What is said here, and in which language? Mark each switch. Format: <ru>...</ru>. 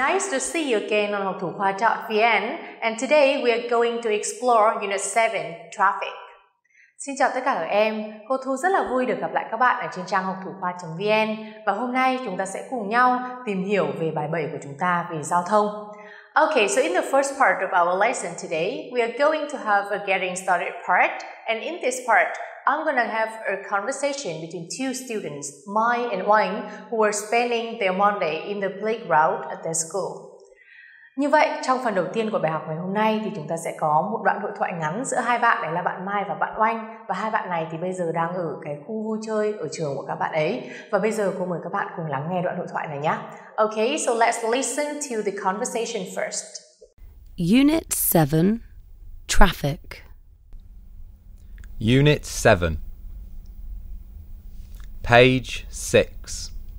<en>to see you again on Học Thuộc Khoa.vn, and today we are going to explore Unit 7, Traffic.</en> <vi>Xin chào tất cả các em, cô Thu rất là vui được gặp lại các bạn ở trên trang Học Thuộc Khoa.vn và hôm nay chúng ta sẽ cùng nhau tìm hiểu về bài 7 của chúng ta về giao thông.</vi> <en>Okay, so in the first part of our lesson today, we are going to have a getting started part, and in this part, I'm going to have a conversation between two students, Mai and Wang, who are spending their Monday in the playground at their school.</en> <vi>Như vậy, trong phần đầu tiên của bài học ngày hôm nay thì chúng ta sẽ có một đoạn hội thoại ngắn giữa hai bạn, đấy là bạn Mai và bạn Wang, và hai bạn này thì bây giờ đang ở cái khu vui chơi ở trường của các bạn ấy. Và bây giờ cô mời các bạn cùng lắng nghe đoạn hội thoại này nhé.</vi> <en>Okay, so let's listen to the conversation first. Unit 7, Traffic. Unit 7, page 6.</en>